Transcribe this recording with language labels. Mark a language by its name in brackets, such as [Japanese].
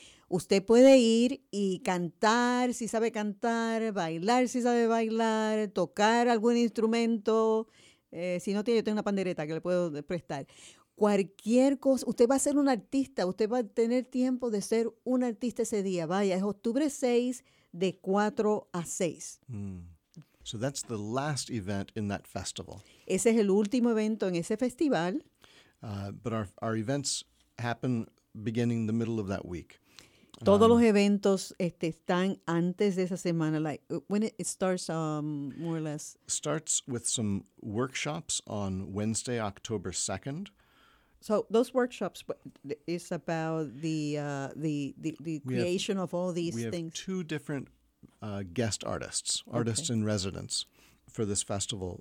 [Spanish] Usted puede ir y cantar si sabe cantar, bailar si sabe bailar, tocar algún instrumento. Si no tiene, yo tengo una pandereta que le puedo prestar. Cualquier cosa. Usted va a ser un artista. Usted va a tener tiempo de ser un artista ese día. Vaya, es octubre 6 de 4 a 6. [English] So that's the last event in that festival. [Spanish] Ese es el último evento en ese festival. [English] But our events happen beginning the middle of that week. [Spanish] Todos los eventos están antes de esa semana. [English] Like when it starts, more or less. Starts with some workshops on Wednesday, October 2nd. So those workshops is about the creation of all these things. We have two different guest artists in residence for this festival.